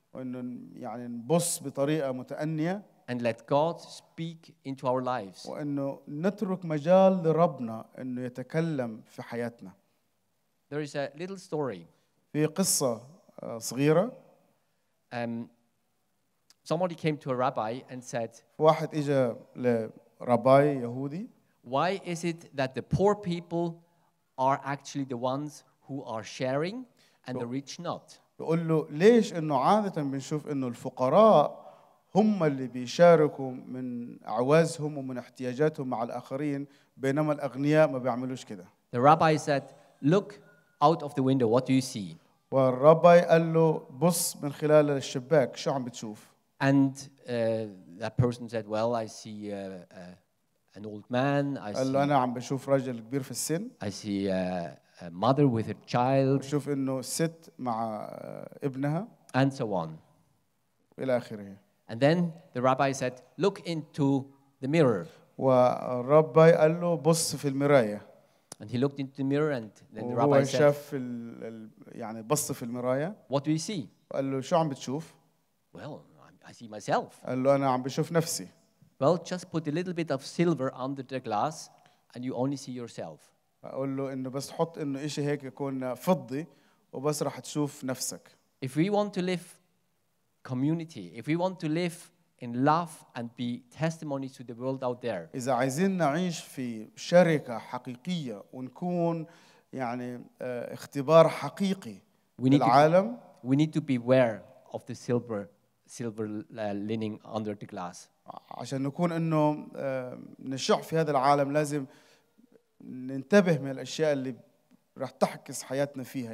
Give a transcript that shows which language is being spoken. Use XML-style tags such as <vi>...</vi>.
<ar>وإنه يعني نبص بطريقة متأنية.</ar> <en>And let God speak into our lives.</en> <ar>وإنه نترك مجال لربنا إنه يتكلم في حياتنا.</ar> <en>There is a little story.</en> <ar>في قصة صغيرة.</ar> <en>Somebody came to a rabbi and said.</en> <ar>واحد إجا لرباي يهودي.</ar> <en>Why is it that the poor people are actually the ones who are sharing and the rich not?</en> <ar>بيقول له ليش إنه عادة بنشوف إنه الفقراء هم اللي بيشاركوا من عوازهم ومن احتياجاتهم مع الآخرين بينما الأغنياء ما بيعملوش كده.</ar> <en>The rabbi said, "Look out of the window. What do you see?"</en> <ar>والرابي قال له بص من خلال الشباك شو عم بتشوف.</ar> <en>And that person said, "Well, I see an old man. I</en> <ar>قال له أنا عم بشوف رجل كبير في السن.</ar> <en>I see a mother with her child.</en> <ar>بشوف إنه ست مع ابنها.</ar> <en>And so on.</en> <ar>إلى آخره.</ar> <en>And then the rabbi said, "Look into the mirror."</en> <ar>والرابي قال له بص في المراية.</ar> <en>And he looked into the mirror, and then the rabbi said,</en> <ar>شاف يعني بص في المراية.</ar> <en>"What do you see?"</en> <ar>قال له شو عم بتشوف؟</ar> <en>"Well, I see myself."</en> <ar>قال له أنا عم بشوف نفسي.</ar> <en>"Well, just put a little bit of silver under the glass, and you only see yourself."</en> <ar>قال له إنه بس حط إنه إشي هيك يكون فضي وبس راح تشوف نفسك.</ar> <en>If we want to live community, if we want to live in love and be testimony to the world out there.</en> <ar>إذا عايزين نعيش في شركة حقيقية ونكون يعني اختبار حقيقي للعالم.</ar> <en>We need to beware of the silver lining under the glass.</en> <ar>عشان نكون إنه نشع في هذا العالم لازم ننتبه من الأشياء اللي راح تحكس حياتنا فيها.</ar>